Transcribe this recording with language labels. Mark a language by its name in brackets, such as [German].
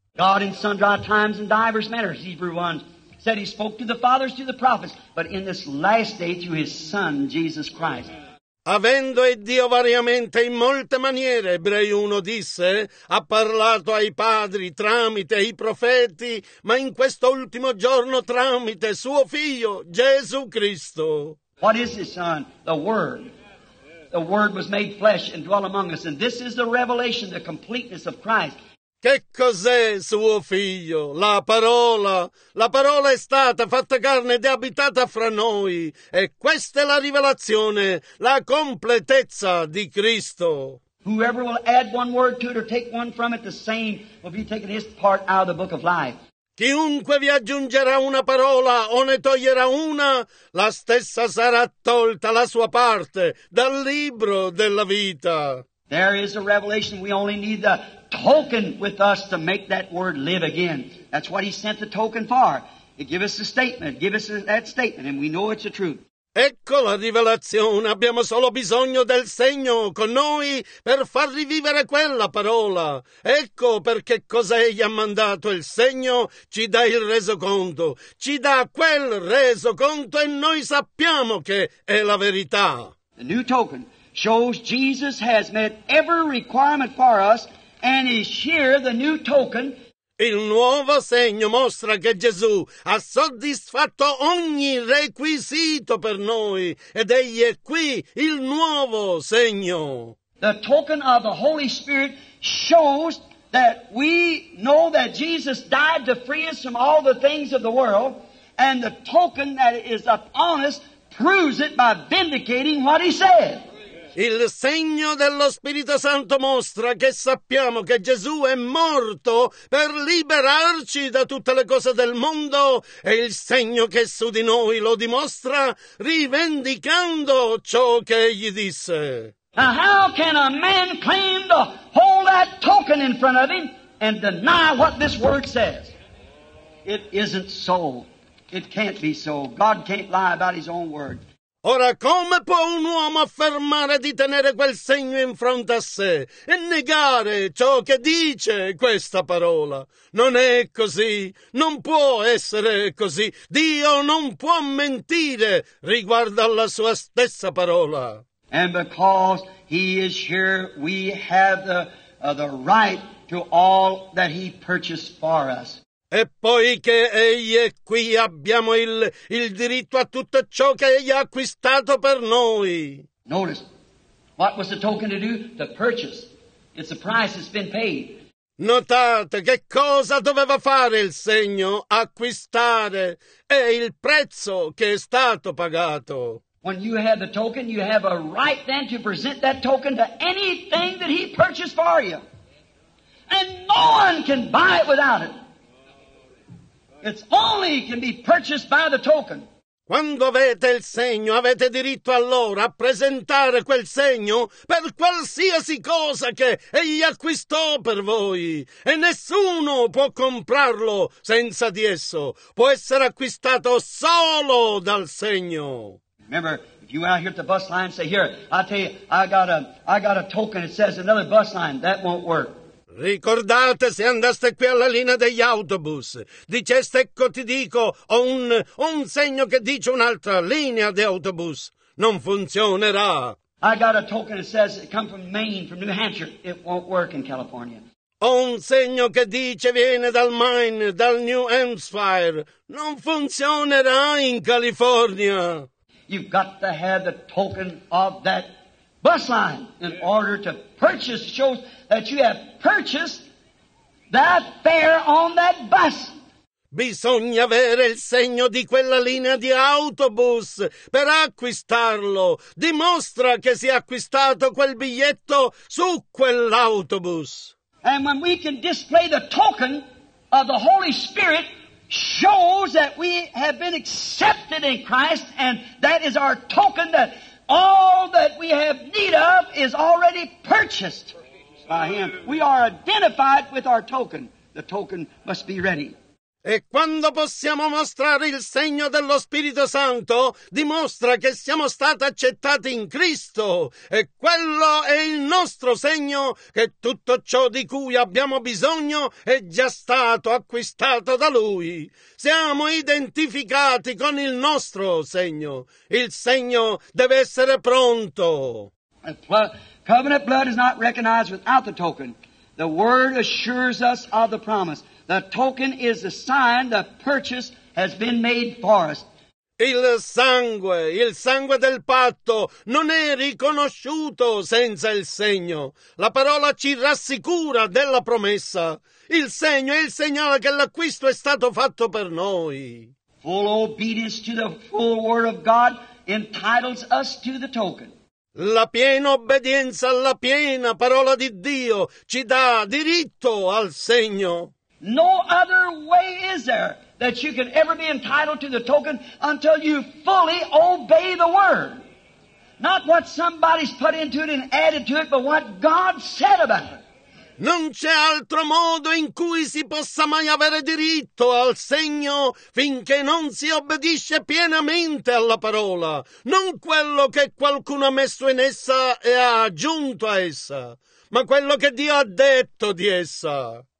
[English] God in sundry times and divers manners, Hebrew 1 said He spoke to the fathers, to the prophets, but in this last day to His Son, Jesus Christ. [Italian] Avendo Dio variamente in molte maniere, Ebrei 1 disse, ha parlato ai padri tramite i profeti, ma in questo ultimo giorno tramite suo figlio, Gesù Cristo. [English] What is His Son? The Word. The Word was made flesh and dwelt among us, and this is the revelation, the completeness of Christ. [Italian] Che cos'è suo figlio? La parola. La parola è stata fatta carne ed è abitata fra noi. E questa è la rivelazione, la completezza di Cristo. [English] Whoever will add one word to it or take one from it, the same will be taking his part out of the book of life. [Italian] Chiunque vi aggiungerà una parola o ne toglierà una, la stessa sarà tolta la sua parte dal libro della vita. [English] There is a revelation. We only need the token with us to make that word live again. That's what He sent the token for. It gives us a statement. Give us that statement, and we know it's the truth. [Italian] Ecco la rivelazione. Abbiamo solo bisogno del segno con noi per far rivivere quella parola. Ecco perché cosa Egli ha mandato. Il segno ci dà il resoconto. Ci dà quel resoconto, e noi sappiamo che è la verità. [English] The new token shows Jesus has met every requirement for us, and is here the new token. [Italian] Il nuovo segno mostra che Gesù ha soddisfatto ogni requisito per noi, ed egli è qui, il nuovo segno. [English] The token of the Holy Spirit shows that we know that Jesus died to free us from all the things of the world, and the token that is upon us proves it by vindicating what he said. [Italian] Il segno dello Spirito Santo mostra che sappiamo che Gesù è morto per liberarci da tutte le cose del mondo, e il segno che su di noi lo dimostra rivendicando ciò che egli disse. [English] Now how can a man claim to hold that token in front of him and deny what this word says? It isn't so. It can't be so. God can't lie about his own word. [Italian] Ora, come può un uomo affermare di tenere quel segno in fronte a sé e negare ciò che dice questa parola? Non è così, non può essere così. Dio non può mentire riguardo alla sua stessa parola. [English] And because he is here, we have the right to all that he purchased for us. [Italian] E poiché egli è qui, abbiamo il diritto a tutto ciò che egli ha acquistato per noi. [English] Notice, what was the token to do? To purchase. It's the price that's been paid. [Italian] Notate che cosa doveva fare il segno? Acquistare. È il prezzo che è stato pagato. [English] When you have the token, you have a right then to present that token to anything that he purchased for you. And no one can buy it without it. It's only can be purchased by the token. [Italian] Quando avete il segno, avete diritto allora a presentare quel segno per qualsiasi cosa che egli acquistò per voi. E nessuno può comprarlo senza di esso. Può essere acquistato solo dal segno. [English] Remember, if you out here at the bus line say, here, I'll tell you, I got a token that says another bus line, that won't work. [Italian] Ricordate, se andaste qui alla linea degli autobus, diceste, ecco ti dico, ho un segno che dice un'altra linea di autobus, non funzionerà. [English] I got a token that says it come from Maine, from New Hampshire, it won't work in California. [Italian] Ho un segno che dice viene dal Maine, dal New Hampshire, non funzionerà in California. [English] You've got to have the token of that bus line in order to purchase. It shows that you have purchased that fare on that bus. [Italian] Bisogna avere il segno di quella linea di autobus per acquistarlo. Dimostra che si è acquistato quel biglietto su quell'autobus. [English] And when we can display the token of the Holy Spirit, shows that we have been accepted in Christ, and that is our token that all that we have need of is already purchased by him. We are identified with our token. The token must be ready. [Italian] E quando possiamo mostrare il segno dello Spirito Santo, dimostra che siamo stati accettati in Cristo. E quello è il nostro segno, che tutto ciò di cui abbiamo bisogno è già stato acquistato da Lui. Siamo identificati con il nostro segno. Il segno deve essere pronto. [English] Covenant blood is not recognized without the token. The word assures us of the promise. The token is the sign the purchase has been made for us. [Italian] Il sangue del patto non è riconosciuto senza il segno. La parola ci rassicura della promessa. Il segno è il segnale che l'acquisto è stato fatto per noi. [English] Full obedience to the full word of God entitles us to the token. [Italian] La piena obbedienza alla piena parola di Dio ci dà diritto al segno. [English] No other way is there that you can ever be entitled to the token until you fully obey the word. Not what somebody's put into it and added to it, but what God said about it. [Italian] Non c'è altro modo in cui si possa mai avere diritto al segno finché non si obbedisce pienamente alla parola, non quello che qualcuno ha messo in essa e ha aggiunto a essa, ma quello che Dio ha detto di essa.